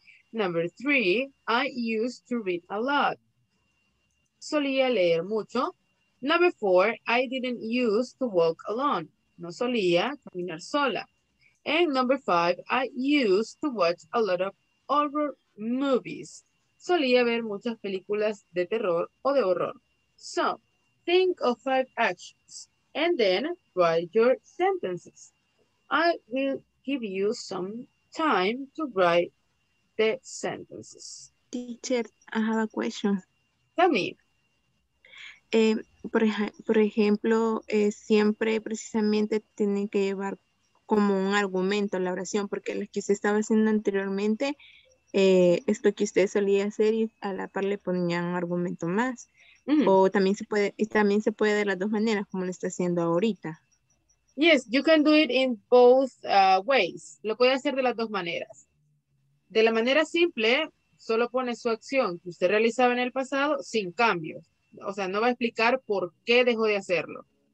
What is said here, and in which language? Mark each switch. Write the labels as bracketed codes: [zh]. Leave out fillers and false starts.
[en] Number three, I used to read a lot. [es] Solía leer mucho. [en] Number four, I didn't use to walk alone. [es] No solía caminar sola. [en] And number five, I used to watch a lot of horror movies. [es] Solía ver muchas películas de terror o de horror. [en] So, think of five actions and then write your sentences. I will give you some time to write the sentences. Teacher, I have a question. Tell me. [es] Por ejemplo, siempre precisamente tiene que llevar como un argumento la oración, porque lo que usted estaba haciendo anteriormente, esto que usted solía hacer y a la par le ponía un argumento más. Mm-hmm. O también se puede de las dos maneras, como lo está haciendo ahorita. [en] Yes, you can do it in both ways. [es] Lo puede hacer de las dos maneras. De la manera simple, solo pone su acción que usted realizaba en el pasado sin cambios. O sea, no va a explicar por qué dejó de hacerlo.